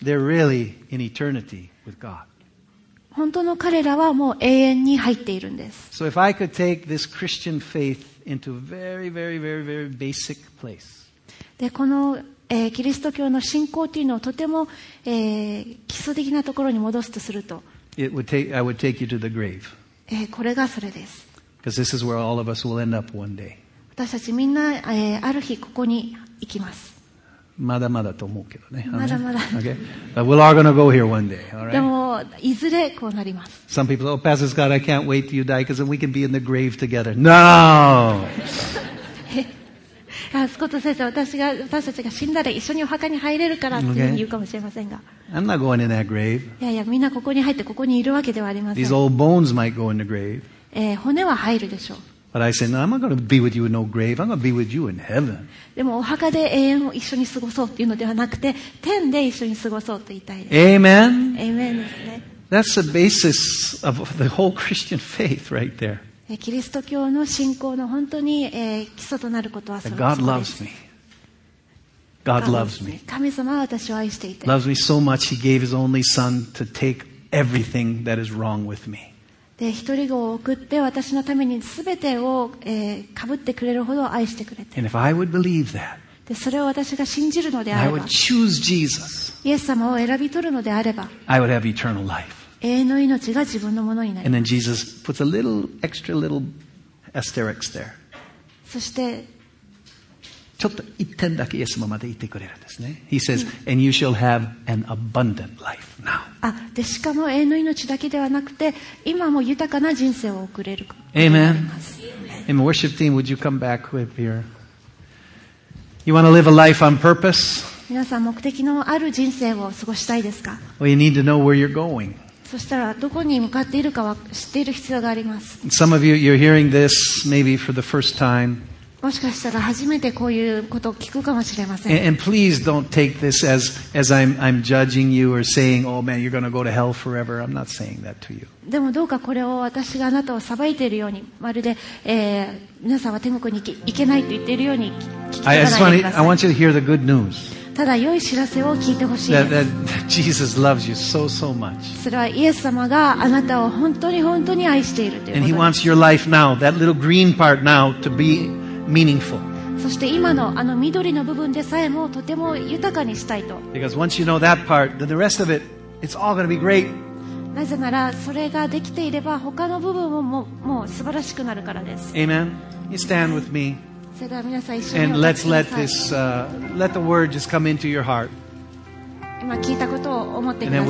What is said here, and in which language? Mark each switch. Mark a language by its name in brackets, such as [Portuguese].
[English] They're really in eternity with God. [Japanese] 本当の彼らはもう永遠に入っているんです。 [English] So if I could take this Christian faith into a very, very, very, very basic place. [Japanese] で、この、キリスト教の信仰というのをとても、基礎的なところに戻すとすると、 [English] It would take, I would take you to the grave. [Japanese] これがそれです。 [English] Because this is where all of us will end up one day. [Japanese] 私たちみんな、ある日ここに行きます。まだまだと思うけどね。まだまだ。 [English] Okay. But we're all going to go here one day. All right. [Japanese] でもいずれこうなります。 [English] Some people say, "Oh, Pastor Scott, I can't wait till you die because then we can be in the grave together." No. [Japanese] スコット先生、私たちが死んだら一緒にお墓に入れるからって言うかもしれませんが。 [English] Okay. I'm not going in that grave. [Japanese] いやいや、みんなここに入ってここにいるわけではありません。 [English] These old bones might go in the grave. [Japanese] 骨は入るでしょう。 [English] But I say, no, I'm not going to be with you in no grave. I'm going to be with you in heaven. [Japanese] でもお墓で永遠を一緒に過ごそうというのではなくて、天で一緒に過ごそうと言いたいです。 [English] Amen. [Japanese] Amen ですね。 [English] That's the basis of the whole Christian faith right there. [Japanese] キリスト教の信仰の本当に、基礎となることはそれです。 [English] God loves me. God loves me. [Japanese] 神様は私を愛していて。 [English] Loves me so much, he gave his only son to take everything that is wrong with me. [Japanese] で、一人子を送って私のために全てを、かぶってくれるほど愛してくれて。 [English] And if I would believe that, [Japanese] で、それを私が信じるのであれば、 [English] I would choose Jesus, [Japanese] イエス様を選び取るのであれば、 [English] I would have eternal life. [Japanese] 永遠の命が自分のものになる。 [English] And then Jesus puts a little extra little asterisk there. [Japanese] そして、ちょっと一点だけイエス様までいてくれるんですね。 [English] He says, and you shall have an abundant life now. [Japanese] あ、で、しかも永遠の命だけではなくて、今も豊かな人生を送れる。 [English] Amen. And worship team, would you come back with your? You want to live a life on purpose? [Japanese] 皆さん目的のある人生を過ごしたいですか？ [English] Well, you need to know where you're going. [Japanese] そしたらどこに向かっているかは知っている必要があります。 [English] Some of you, you're hearing this maybe for the first time. [Japanese] もしかしたら初めてこういうことを聞くかもしれません。 [English] And please don't take this as I'm judging you or saying, oh man, you're going to go to hell forever. I'm not saying that to you. [Japanese] でもどうかこれを私があなたを裁いているように、まるで、皆さんは天国に行けないと言っているように聞きたいです。 [English] I want you to hear the good news. [Japanese] ただ良い知らせを聞いてほしいです。 [English] That Jesus loves you so, so much. [Japanese] それはイエス様があなたを本当に本当に愛しているということ。 [English] And he wants your life now, that little green part now, to be... Meaningful. [Japanese] そして今のあの緑の部分でさえもとても豊かにしたいと。 [English] Because once you know that part, then the rest of it, it's all going to be great. [Japanese] なぜならそれができていれば他の部分も もう素晴らしくなるからです。 [English] Amen. You stand with me. [Japanese] それでは皆さん一緒にお立ちください。 [English] And let's let this, let the word just come into your heart. [Japanese] 今聞いたことを思ってください。